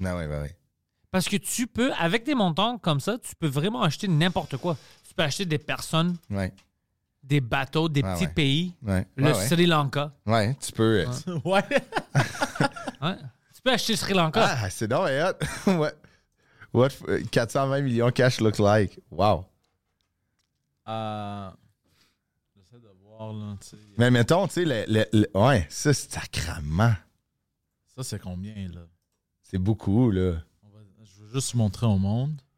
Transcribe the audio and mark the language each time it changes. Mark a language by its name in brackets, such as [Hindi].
[French] Ah ouais, ouais. Parce que tu peux, avec des montants comme ça, tu peux vraiment acheter n'importe quoi. Tu peux acheter des personnes, ouais. Des bateaux, des ouais, petits ouais. pays, ouais. Le ouais, Sri Lanka. Ouais, tu peux. Ouais. Ouais. Ouais. Tu peux acheter le Sri Lanka. Ah, c'est dingue, hein? Ouais. [English] What 420 millions cash looks like? Wow. [French] J'essaie de voir, là, tu sais. Mais mettons, tu sais, le ouais, ça, c'est sacrament. Ça, c'est combien, là? C'est beaucoup, là. Je veux juste montrer au monde.